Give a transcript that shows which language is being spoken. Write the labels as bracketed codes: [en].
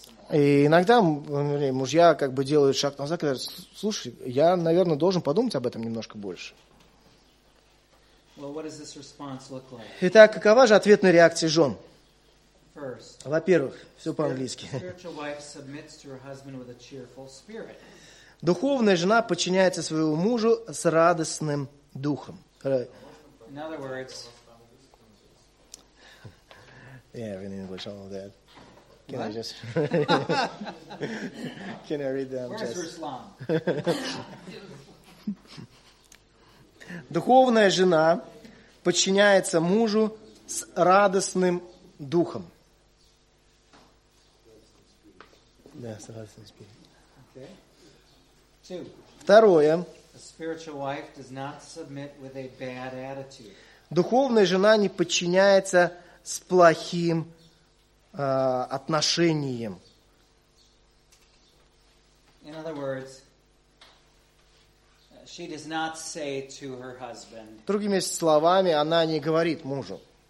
[ru] И иногда мужья как бы делают шаг назад и говорят, слушай, я, наверное, должен подумать об этом немножко больше. [en] Well, what does this response look like? [ru] Итак, какова же ответная реакция жен? [en] First, [ru] во-первых, все по-английски. [en] Spiritual wife submits to her husband with a cheerful spirit. [ru] Духовная жена подчиняется своему мужу с радостным духом. [en] In other words, yeah, in English, all of that. Can what? I just read? Can I read them? Where's just Ruslan? [ru] Духовная жена подчиняется мужу с радостным духом. Да, с радостным духом. Второе. [en] A spiritual wife does not submit with a bad attitude. [ru] Духовная жена не подчиняется с плохим отношением. [en] In other words, she does not say to her husband. [ru] Другими словами, она не говорит мужу.